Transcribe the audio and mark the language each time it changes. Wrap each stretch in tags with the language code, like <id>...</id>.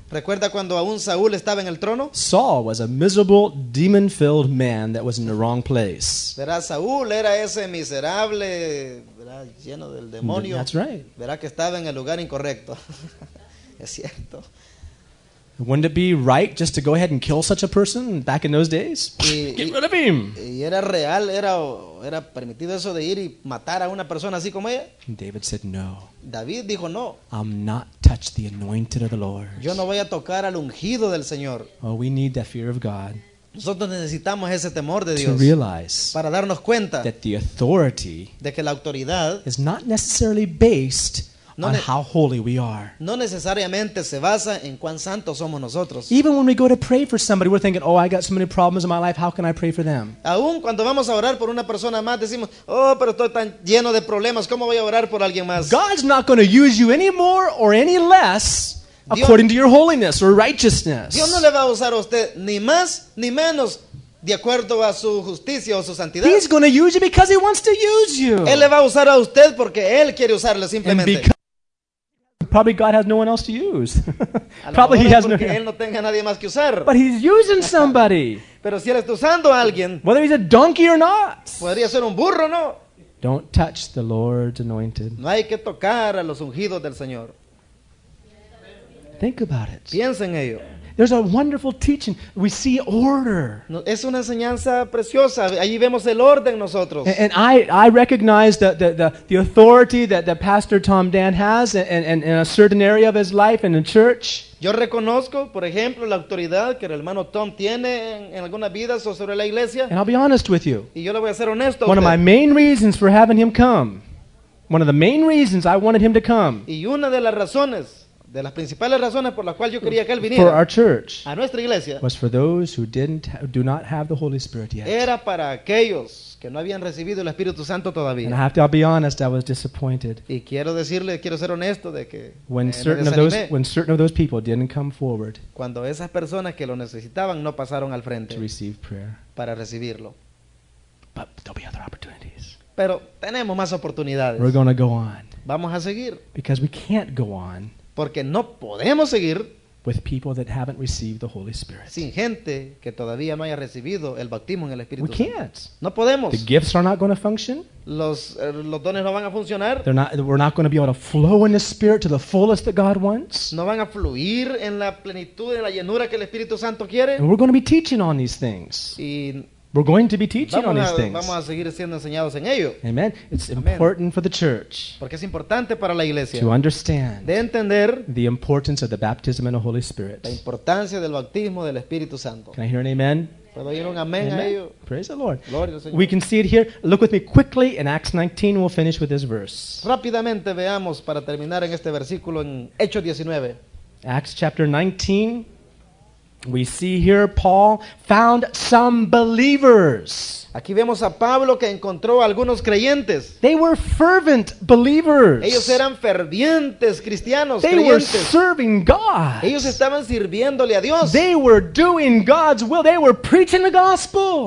<es>¿Recuerda cuando aún Saúl estaba en el trono?</es> <en>Saul was a miserable, demon-filled man that was in the wrong place.</en> <es>Verá, Saúl era ese miserable, verá, lleno del demonio.</es> <en>That's right.</en> <es>Verá que estaba en el lugar incorrecto. Es cierto.</es> <en>Wouldn't it be right just to go ahead and kill such a person back in those days? Get rid of him.</en> <es>Y era real, era permitido eso de ir y matar a una persona así como ella?</es> <en>David said no.</en> <es>David dijo no.</es> <en>I'm not touch the anointed of the Lord.</en> <es>Yo no voy a tocar al ungido del Señor.</es> <en>Oh, we need the fear of God.</en> <es>Nosotros necesitamos ese temor de Dios</es> <en>to realize</en> <es>para darnos cuenta</es> <en>that the authority</en> <es>de que la autoridad</es> <en>is not necessarily based on how holy we are.</en> <es>No necesariamente se basa en cuán santos somos nosotros.</es> <en>Even when we go to pray for somebody, we're thinking, "Oh, I got so many problems in my life. How can I pray for them?"</en> <es>Aún cuando vamos a orar por una persona más, decimos, "Oh, pero estoy tan lleno de problemas. ¿Cómo voy a orar por alguien más?"</es> <en>God's not going to use you any more or any less according to your holiness or righteousness.</en> <es>Dios no le va a usar a usted ni más ni menos de acuerdo a su justicia o su santidad.</es> <en>He's going to use you because he wants to use you.</en> <es>Él le va a usar a usted porque él quiere usarle simplemente.</es> <en>Probably God has no one else to use. Probably he has no</en> <es>Él no tenga nadie más que usar.</es> <en>But he's using somebody.</en> <es>Pero si él está usando a alguien.</es> <en>Whether he's a donkey or not.</en> <es>Podría ser un burro, ¿no?</es> <en>Don't touch the Lord's anointed.</en> <es>No hay que tocar a los ungidos del Señor.</es> <en>Think about it.</en> <es>Piensen ello.</es> <en>There's a wonderful teaching. We see order.</en> <es>Es una enseñanza preciosa. Allí vemos el orden nosotros.</es> <en>And I recognize the authority that Pastor Tom Dan has in a certain area of his life in the church.</en> <es>Yo reconozco, por ejemplo, la autoridad que el hermano Tom tiene en algunas vidas o sobre la iglesia.</es> <en>And I'll be honest with you.</en> <es>Y yo le voy a ser honesto.</es> <en>One of my main reasons for having him come. One of the main reasons I wanted him to come.</en> <es>Y una de las razones. De las principales razones por las cuales yo quería que él viniera</es> <en>for our church</en> <es>a nuestra iglesia</es> <en>was for those who do not have the Holy Spirit yet.</en> <es>Era para aquellos que no habían recibido el Espíritu Santo todavía.</es> <en>And I'll be honest, I was disappointed.</en> <es>Y quiero decirle, quiero ser honesto de que</es> <en>when certain of those people didn't come forward</en> <es>cuando esas personas que lo necesitaban no pasaron al frente</es> <en>to receive prayer.</en> <es>Para recibirlo.</es> <en>But there'll be other opportunities.</en> <es>Pero tenemos más oportunidades.</es> <en>We're going to go on.</en> <es>Vamos a seguir.</es> <en>Because we can't go on</en> <es>porque no podemos seguir</es> <en>with people that haven't received the Holy Spirit.</en> <es>Sin gente que todavía no haya recibido el bautismo en el Espíritu</es> <en>we</en> <es>Santo.</es> <en>Can't.</en> <es>No podemos.</es> <en>The gifts are not going to function.</en> <es>Los dones no van a funcionar.</es> <en>We're not going to be able to flow in the Spirit to the fullest that God wants.</en> <es>No van a fluir en la plenitud, en la llenura que el Espíritu Santo quiere.</es> <en>And we're going to be teaching on these things.</en> <es>Y</es> <en>We're going to be teaching on these things.</en> <es>Vamos a seguir siendo enseñados en ello.</es> <en>Amen. It's important for the church.</en> <es>Porque es importante para la iglesia.</es> <en>To understand.</en> <es>De entender.</es> <en>The importance of the baptism in the Holy Spirit.</en> <es>La importancia del bautismo del Espíritu Santo.</es> <en>Can I hear an amen?</en> <es>¿Puedo oír un amén a ello?</es> <en>Praise the Lord.</en> <es>Gloria al Señor.</es> <en>We can see it here. Look with me quickly in Acts 19. We'll finish with this verse.</en> <es>Rápidamente veamos para terminar en este versículo en Hechos 19.</es> <en>Acts chapter 19. We see here Paul found some believers.</en> <es>Aquí vemos a Pablo que encontró algunos creyentes.</es> <en>They were fervent believers.</en> <es>Ellos eran fervientes cristianos.</es> <en>They</en> <es>creyentes.</es> <en>They were serving God.</en> <es>Ellos estaban sirviéndole a Dios.</es> <en>They were doing God's will. They were preaching the gospel.</en>